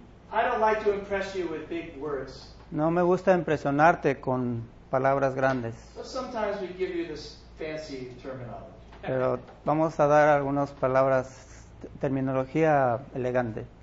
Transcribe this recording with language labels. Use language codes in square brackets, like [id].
[en] I don't like to impress you with big words. [es] No me gusta impresionarte con palabras grandes. [en] But sometimes we give you this fancy terminology. [es] Pero vamos a dar algunas palabras, terminología elegante.